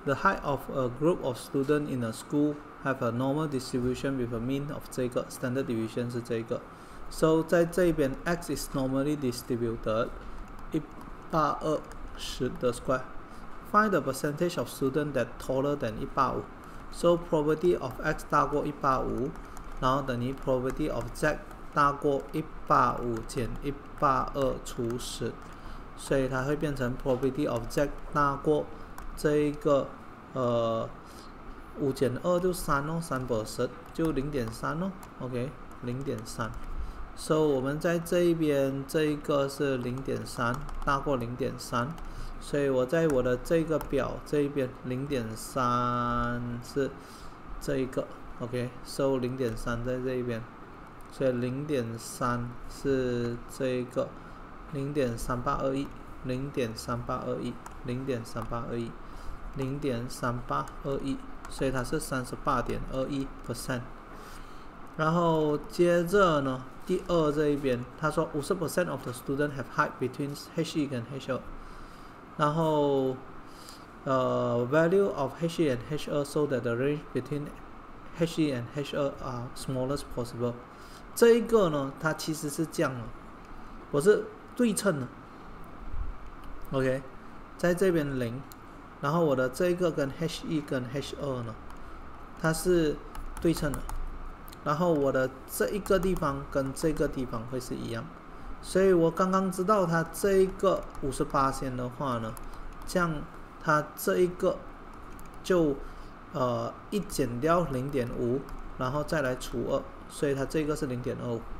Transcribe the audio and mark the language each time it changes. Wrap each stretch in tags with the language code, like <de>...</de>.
<en>The height of a group of students in a school have a normal distribution with a mean of</en> <zh>这个</zh> <en>standard deviation</en> <zh>是这个。</zh> <en>So</en> <zh>在这边</zh> <en>，x is normally distributed 180的 square。 Find the percentage of students that taller than 185. So probability of x</en> <zh>大过185，然后等于</zh> <en>probability of z</en> <zh>大过185减182除10，所以它会变成 probability of z 大过这一个5减2就3哦，</zh> <en>3 per 10</en> <zh>就 0.3 哦， OK 0.3。 So 我们在这一边这一个是 0.3 大过 0.3， 所以我在我的这个表这一边 0.3 是这一个， OK， So 0.3 在这一边，所以 0.3 是这一个0.3821，所以它是 38.21%。然后接着呢，第二这一边他说</zh> <en>50% of the students have height between</en> <zh>HE 跟 HE， 然后</zh> <en>value of HE and HE so that the range between HE and HE are smallest possible。</en> <zh>这一个呢它其实是这样的，我是对称的， OK， 在这边0，然后我的这个跟 HE 跟 HE 呢它是对称的，然后我的这一个地方跟这个地方会是一样，所以我刚刚知道它这一个 58% 的话呢，这样它这一个就一减掉 0.5 然后再来除 2， 所以它这个是 0.25。</zh>